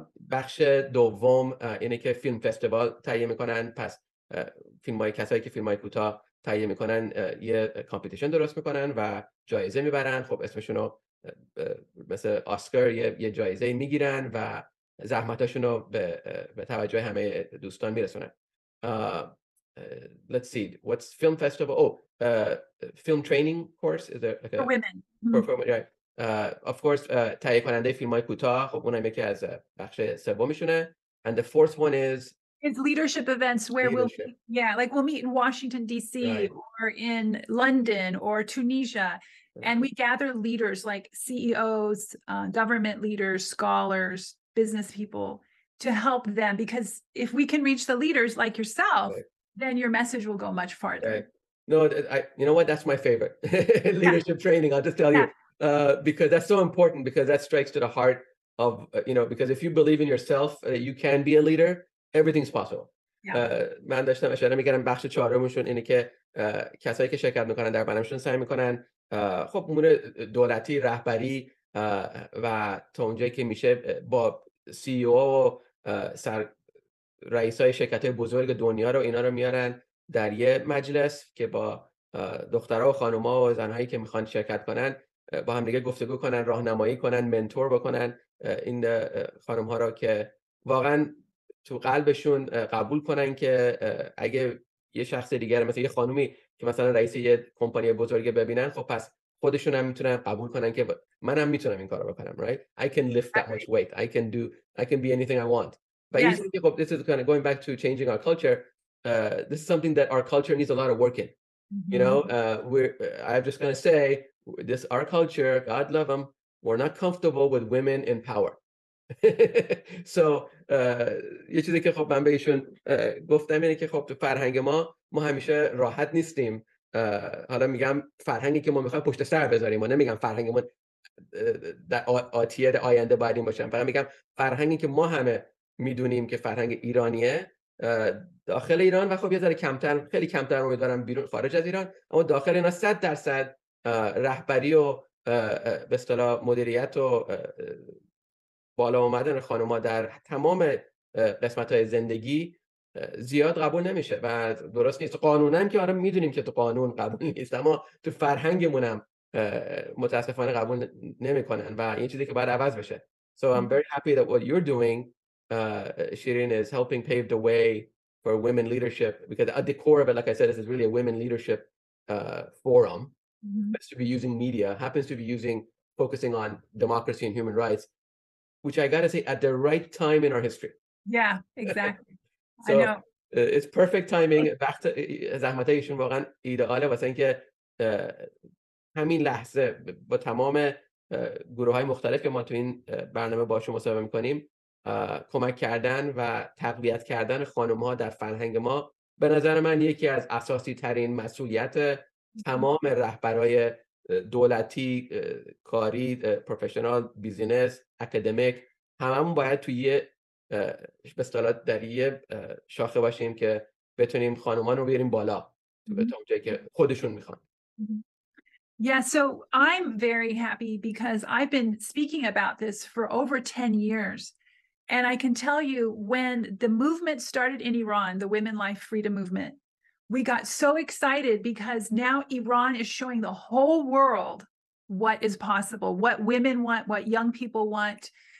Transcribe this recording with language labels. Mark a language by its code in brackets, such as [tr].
[fa] بخش دوم اینه که فیلم فستیوال تهیه میکنن، پس کسایی که فیلم های کوتاه تهیه میکنن یه کمپیتیشن درست میکنن و جایزه میبرن، خب اسمشون رو مثل آسکار یه جایزه میگیرن و زحمتاشون رو به توجه همه دوستان میرسونن. [en] Let's see, what's film festival? Film training course, is there like a... for women? Of course, [fa] تهیه کننده فیلم های کوتاه، خب اونم یکی از بخش سومشونه. [en] And the fourth one is leadership events, where we'll meet in Washington DC, right, or in London or Tunisia, right, and we gather leaders like CEOs, government leaders, scholars, business people, to help them, because if we can reach the leaders like yourself, right, then your message will go much farther. Right. No, you know what? That's my favorite leadership training. I'll just tell you, because that's so important, because that strikes to the heart of, because if you believe in yourself, you can be a leader, everything's possible. [fa] من داشتم اشاره میکردم بخش چهارمشون اینه که کسایی که شرکت میکنن در برنامه‌شون سعی میکنن خب امور دولتی، رهبری و تا اونجایی که میشه با سی او و رئیس های شرکت بزرگ دنیا رو اینا رو میارن در یه مجلس که با دخترها و خانوما و زنهایی که میخوان شرکت کنن با هم دیگه گفتگو کنن، راهنمایی کنن، منتور بکنن این خانم ها رو، که واقعا تو قلبشون قبول کنن که اگه یه شخص دیگر مثل یه خانومی که مثلا رئیس یه کمپانی بزرگ ببینن، خب پس خودشون هم میتونن قبول کنن که منم میتونم این کارو بکنم. [en] Right, I can lift that much weight, I can be anything I want. But yes, you think, this is kind of going back to changing our culture. this is something that our culture needs a lot of work in. Mm-hmm. You know, I'm just going to say this, our culture, God love them, we're not comfortable with women in power. [fa] So, یه چیزی که خب من بهشون گفتم اینه که خب تو فرهنگ ما همیشه راحت نیستیم. حالا میگم فرهنگی که ما میخوایم پشت سر بذاریم، و نمیگم فرهنگمون در آتیه در آینده باید این باشن، فقط میگم فرهنگی که ما همه میدونیم که فرهنگ ایرانیه داخل ایران، و خب یه ذره کمتر، خیلی کمتر امیدوارم بیرون خارج از ایران، اما داخل اینا 100% رهبری و به اصطلاح مدیریت و بالا اومدن خانوما در تمام قسمت‌های زندگی زیاد قبول نمیشه و درست نیست. قانونم که آره میدونیم که تو قانون قبول نیست، اما تو فرهنگمونم متاسفانه قبول نمیکنن و این چیزی که باید عوض بشه. [en] So I'm very happy that what you're doing, Shirin, is helping pave the way for women leadership, because at the core of it, like I said, this is really a women leadership forum. Mm-hmm. Happens to be using media, happens to be using focusing on democracy and human rights, which I gotta say, at the right time in our history. Yeah, exactly. So, I know. It's perfect timing. [fa] وقت زحمتایشون واقعا ایده‌آله واسه اینکه همین لحظه با تمام گروه‌های مختلف که ما تو این برنامه باشون مصاحبه می‌کنیم کمک کردن و تقویت کردن خانم‌ها در فرهنگ ما به نظر من یکی از اساسی ترین مسئولیت تمام رهبرای دولتی، کاری، پروفشنال، بیزینس، اکادمیک، هممون باید توی یه به اصطلاح در یه شاخه باشیم که بتونیم خانمان رو بیاریم بالا به تو اونجایی که خودشون میخوان. [en] Yeah, so I'm very happy because I've been speaking about this for over 10 years. And I can tell you, when the movement started in Iran, the Women Life Freedom Movement, we got so excited because now Iran is showing the whole world what is possible, what women want, what young people want.